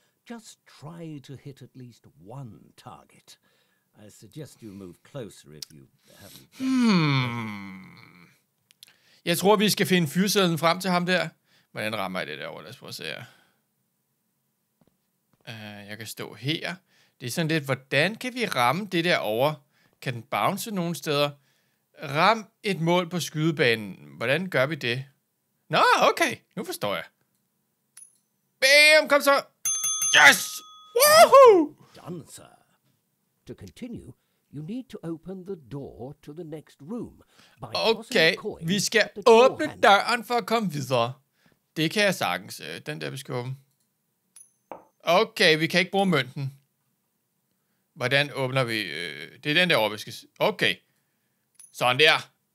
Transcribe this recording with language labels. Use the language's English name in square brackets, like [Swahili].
[English] Just try to hit at least one target. I suggest you move closer if you haven't... [Danish] Jeg tror, vi skal finde fyrsedlen frem til ham der. Hvordan rammer jeg det derovre? Lad os prøve at se her. Jeg kan stå her. Det er sådan lidt, hvordan kan vi ramme det der over? Kan den bounce nogen steder? Ram et mål på skydebanen. Hvordan gør vi det? Nå, okay. Nu forstår jeg. Bam, kom så! Yes! Woohoo! [English] Done, sir. To continue, you need to open the door to the next room. [Danish] Okay, vi skal åbne døren for at komme videre. Det kan jeg sagtens. Den der, vi skal åbne. Okay, vi kan ikke bruge mønten. Hvordan åbner vi? Det er den der, vi skal... Okay. Sådan der.